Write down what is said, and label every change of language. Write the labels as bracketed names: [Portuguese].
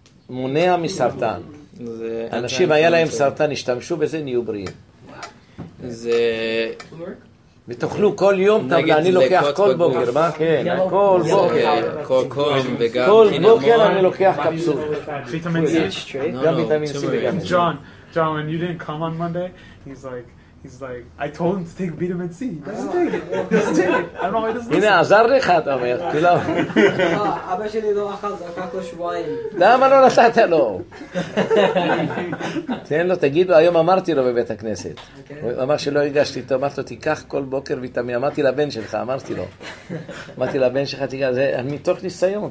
[Hebrew] מונע מסרטן אנשים היה להם סרטן השתמשו בזה נהיו בריאים זה ותאכלו כל יום אני לוקח כל בוקר מה כן כל בוקר כל בוקר אני לוקח קפסול ויטמין C גם ויטמין C [English] ג'ון, when you didn't come on Monday, he's like, He's like, I told him to take vitamin C. He doesn't take it. [Hebrew] הנה, עזר לך, אתה אומר. אבא שלי לא אכל, זרקת לו שבועיים. למה לא נתת לו? תן לו, תגיד לו, היום אמרתי לו בבית הכנסת. הוא אמר שלא הרגשתי אותו, אמרתי לו, תיקח כל בוקר ויטמין. אמרתי לבן שלך, אמרתי לו. אמרתי לבן שלך, תיקח, זה מתוך ניסיון.